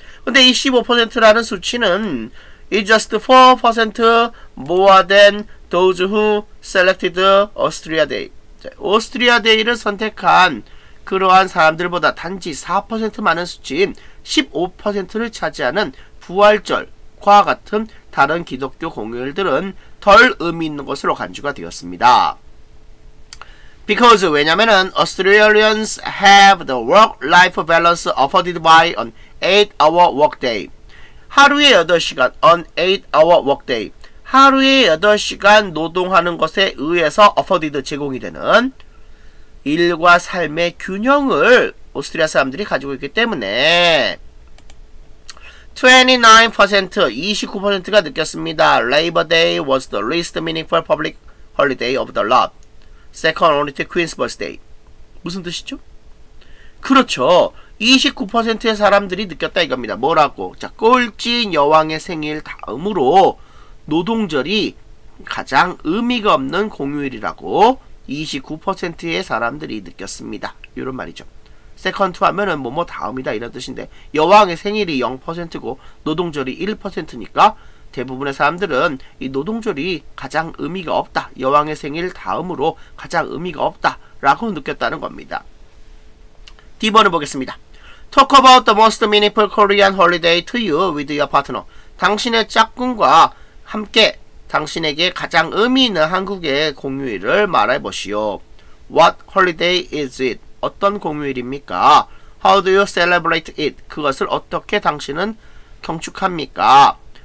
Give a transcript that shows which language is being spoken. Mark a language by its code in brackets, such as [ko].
[ko] 근데 이 15%라는 수치는 [en] is just 4% more than those who selected Austria Day. [ko] 자, Austria Day를 선택한 그러한 사람들보다 단지 4% 많은 수치인 15%를 차지하는 부활절과 같은 다른 기독교 공휴일들은 덜 의미 있는 것으로 간주가 되었습니다. [en] Because, [ko] 왜냐면은 [en] Australians have the work-life balance afforded by an 8-hour workday. [ko] 하루에 8시간, [en] an 8-hour workday. [ko] 하루에 8시간 노동하는 것에 의해서 afforded, 제공이 되는 일과 삶의 균형을 오스트리아 사람들이 가지고 있기 때문에 29%, 29%가 느꼈습니다. [en] Labor Day was the least meaningful public holiday of the lot. Second only to Queen's Birthday. [ko] 무슨 뜻이죠? 그렇죠. 29%의 사람들이 느꼈다 이겁니다. 뭐라고? 자, 꼴찌인 여왕의 생일 다음으로 노동절이 가장 의미가 없는 공휴일이라고 29%의 사람들이 느꼈습니다. 이런 말이죠. Second to 하면은 뭐뭐 다음이다 이런 뜻인데 여왕의 생일이 0%고 노동절이 1%니까 대부분의 사람들은 이 노동절이 가장 의미가 없다. 여왕의 생일 다음으로 가장 의미가 없다. 라고 느꼈다는 겁니다. D번을 보겠습니다. [en] Talk about the most meaningful Korean holiday to you with your partner. [ko] 당신의 짝꿍과 함께 당신에게 가장 의미 있는 한국의 공휴일을 말해보시오. [en] What holiday is it? [ko] 어떤 공휴일입니까? [en] How do you celebrate it? [ko] 그것을 어떻게 당신은 경축합니까?